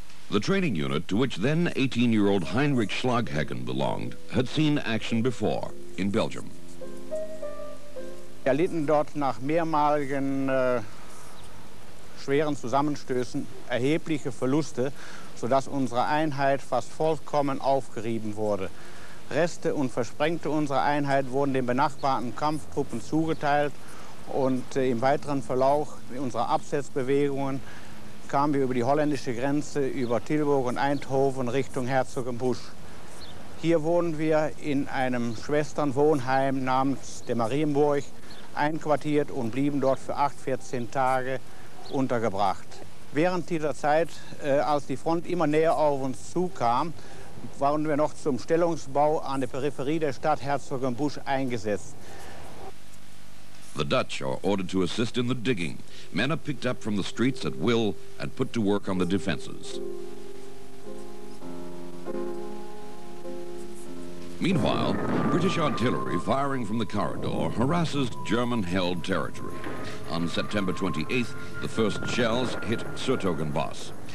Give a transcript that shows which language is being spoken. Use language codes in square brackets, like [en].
[en] The training unit to which then 18-year-old Heinrich Schlaghagen belonged had seen action before in Belgium. [de] Er litten dort nach mehrmaligen schweren Zusammenstößen erhebliche Verluste, sodass unsere Einheit fast vollkommen aufgerieben wurde. Reste und Versprengte unserer Einheit wurden den benachbarten Kampftruppen zugeteilt und im weiteren Verlauf unserer Absetzbewegungen kamen wir über die holländische Grenze, über Tilburg und Eindhoven Richtung Herzogenbusch. Hier wohnen wir in einem Schwesternwohnheim namens der Marienburg einquartiert und blieben dort für 14 Tage untergebracht. Während dieser Zeit, als die Front immer näher auf uns zukam, waren wir noch zum Stellungsbau an der Peripherie der Stadt Herzogenbusch eingesetzt. [en] The Dutch are ordered to assist in the digging. Men are picked up from the streets at will and put to work on the defenses. Meanwhile, British artillery firing from the corridor harasses German-held territory. On September 28th, the first shells hit Sertogenbos.